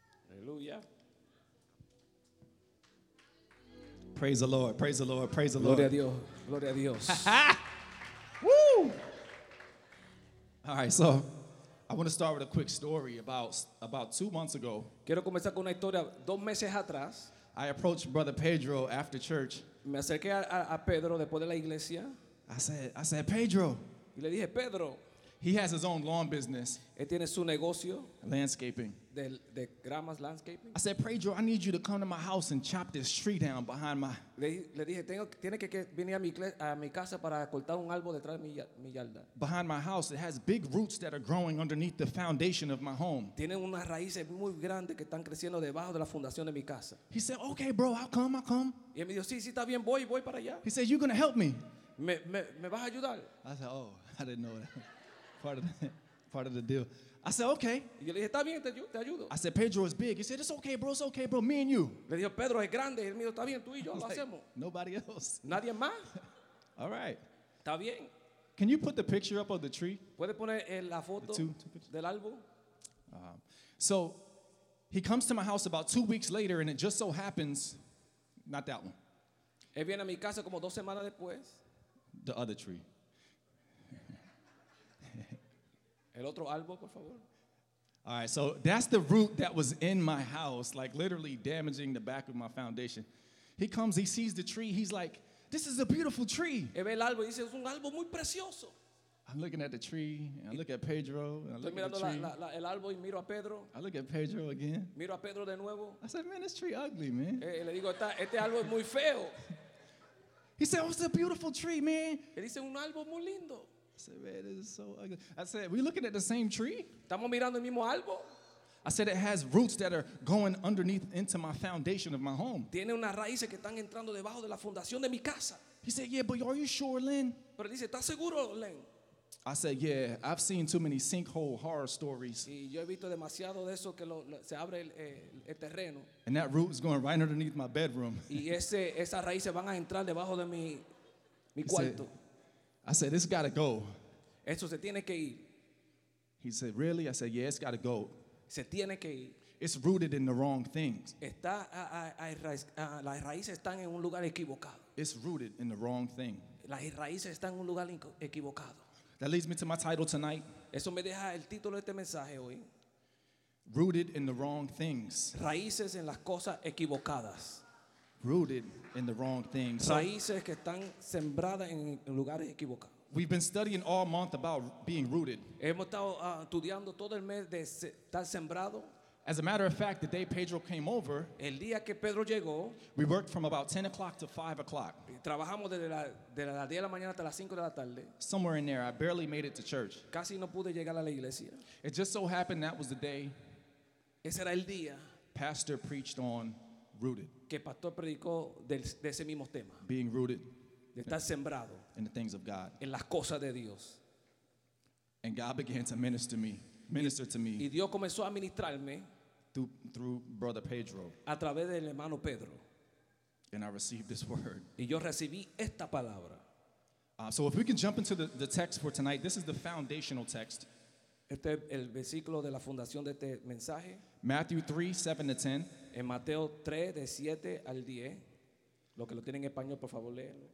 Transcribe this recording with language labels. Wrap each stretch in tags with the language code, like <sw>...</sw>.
<en>Hallelujah. Praise the Lord. Praise the Lord. Praise the Lord.</en> <es>Gloria a Dios. Gloria a Dios. Woo!</es> <en>All right, so I want to start with a quick story about 2 months ago.</en> <es>Quiero comenzar con una historia dos meses atrás.</es> <en>I approached Brother Pedro after church.</en> <es>Me acerqué a Pedro después de la iglesia.</es> <en>I said, Pedro.</en> <es>Y le dije, Pedro.</es> <en>He has his own lawn business.</en> <es>Él tiene su negocio.</es> <en>Landscaping.</en> <es>De gramas landscaping.</es> <en>I said, Pedro, I need you to come to my house and chop this tree down behind my.</en> <es>Le dije, tiene que venir a mi casa para cortar un árbol detrás de mi yarda.</es> <en>Behind my house, it has big roots that are growing underneath the foundation of my home.</en> <es>Tiene unas raíces muy grandes que están creciendo debajo de la fundación de mi casa.</es> <en>He said, okay, bro, I'll come.</en> <es>Y él me dijo, sí, está bien, voy para allá.</es> <en>He said, you're gonna help me.</en> <es>Me vas a ayudar.</es> <en>I said, oh, I didn't know that. Part of the deal. I said, okay.</en> <es>Yo le dije, está bien, te ayudo.</es> <en>I said, Pedro is big. He said, it's okay, bro, me and you.</en> <es>Le dije, Pedro es grande. Él me dijo, está bien, tú y yo lo hacemos.</es> <en>Nobody else.</en> <es>Nadie más.</es> <en>All right.</en> <es>Está bien.</es> <en>Can you put the picture up of the tree?</en> <es>¿Puede poner la foto</es> <en>two</en> <es>del árbol?</es> <en>So he comes to my house about 2 weeks later, and it just so happens, not that one.</en> <es>Él viene a mi casa como dos semanas después.</es> <en>The other tree.</en> <es>El otro árbol, por favor.</es> <en>All right, so that's the root that was in my house, like literally damaging the back of my foundation. He comes, he sees the tree, he's like, this is a beautiful tree.</en> <es>Él ve el árbol y dice, es un árbol muy precioso.</es> <en>I'm looking at the tree, and I look at Pedro, and I look at the tree.</en> <es>El árbol y miro a Pedro.</es> <en>I look at Pedro again.</en> <es>Miro a Pedro de nuevo.</es> <en>I said, man, this tree ugly, man.</en> <es>Le digo, este árbol es muy feo.</es> <en>He said, oh, it's a beautiful tree, man.</en> <es>Él dice, un árbol muy lindo.</es> <en>I said, man, this is so ugly. I said, we looking at the same tree?</en> <es>¿Estamos mirando el mismo árbol?</es> <en>I said, it has roots that are going underneath into my foundation of my home.</en> <es>Tiene unas raíces que están entrando debajo de la fundación de mi casa.</es> <en>He said, yeah, but are you sure, Len?</en> <es>Pero dice, ¿estás seguro, Len?</es> <en>I said, yeah, I've seen too many sinkhole horror stories.</en> <es>Y yo he visto demasiado de eso que se abre el terreno.</es> <en>And that root is going right underneath my bedroom.</en> <es>Y esas raíces van a entrar debajo de mi cuarto.</es> <en>I said, it's got to go.</en> <es>Eso se tiene que ir.</es> <en>He said, really? I said, yeah, it's got to go.</en> <es>Se tiene que ir.</es> <en>It's rooted in the wrong things.</en> <es>Las raíces están en un lugar equivocado.</es> <en>It's rooted in the wrong thing.</en> <es>Las raíces están en un lugar equivocado.</es> <en>That leads me to my title tonight.</en> <es>Eso me deja el título de este mensaje hoy.</es> <en>Rooted in the wrong things.</en> <es>Raíces en las cosas equivocadas.</es> <en>Rooted in the wrong things.</en> <es>Raíces que están sembradas en lugares equivocados.</es> <en>We've been studying all month about being rooted.</en> <es>Hemos estado estudiando todo el mes de estar sembrado.</es> <en>As a matter of fact, the day Pedro came over,</en> <es>el día que Pedro llegó,</es> <en>we worked from about 10 o'clock to 5 o'clock.</en> <es>Trabajamos de la 10 de la mañana hasta las 5 de la tarde.</es> <en>Somewhere in there, I barely made it to church.</en> <es>Casi no pude llegar a la iglesia.</es> <en>It just so happened that was the day</en> <es>ese era el día</es> <en>Pastor preached on rooted.</en> <es>Que Pastor predicó de ese mismo tema.</es> <en>Being rooted.</en> <es>De estar sembrado</es> <en>in the things of God.</en> <es>En las cosas de Dios.</es> <en>And God began to minister to me.</en> <es>Y Dios comenzó a ministrarme</es> <en>through Brother Pedro.</en> <es>A través del hermano Pedro.</es> <en>And I received this word.</en> <es>Y yo recibí esta palabra.</es> <en>So if we can jump into the text for tonight, this is the foundational text.</en> <es>Este es el versículo de la fundación de este mensaje.</es> <en>Matthew 3, 7 to 10.</en> <es>En Mateo 3, de 7 al 10. Lo que lo tienen en español, por favor, léelo.</es>